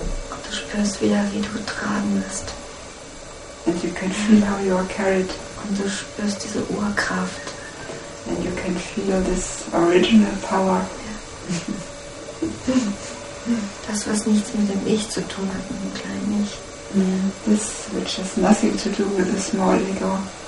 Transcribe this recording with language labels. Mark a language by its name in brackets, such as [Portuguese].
[German] Und du spürst wieder, wie du getragen wirst. [English] And you can feel how you are carried. [German] Und du spürst diese Urkraft. [English] And you can feel this original power. [German] Das, was nichts mit dem Ich zu tun hat, mit dem kleinen Ich. [English] This, which has nothing to do with the small ego.